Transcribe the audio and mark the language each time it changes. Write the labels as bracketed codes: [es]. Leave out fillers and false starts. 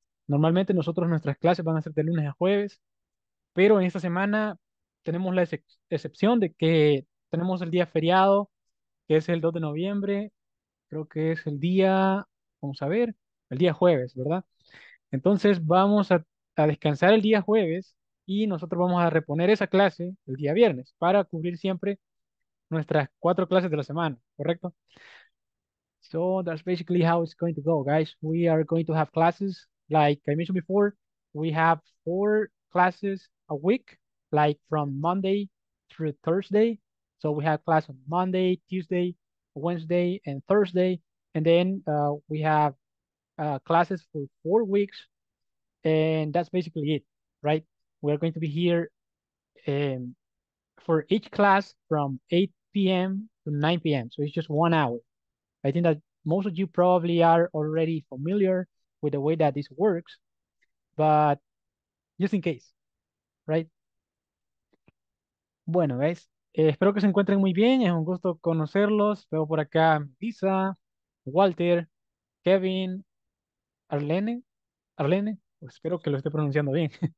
[es] Normalmente nosotros nuestras clases van a ser de lunes a jueves. Pero en esta semana tenemos la excepción de que tenemos el día feriado, que es el 2 de noviembre. Creo que es el día, vamos a ver, el día jueves, ¿verdad? Entonces vamos a descansar el día jueves y nosotros vamos a reponer esa clase el día viernes para cubrir siempre nuestras 4 clases de la semana, ¿correcto? [en] So that's basically how it's going to go, guys. We are going to have classes, like I mentioned before, we have 4 classes a week, like from Monday through Thursday. So we have class on Monday, Tuesday, Wednesday, and Thursday. And then we have classes for 4 weeks. And that's basically it, right? We're going to be here for each class from 8 p.m. to 9 p.m. So it's just 1 hour. I think that most of you probably are already familiar with the way that this works, but just in case. Right. [es] Bueno, guys, espero que se encuentren muy bien. Es un gusto conocerlos. Veo por acá Lisa, Walter, Kevin, Arlene. Arlene, pues espero que lo esté pronunciando bien.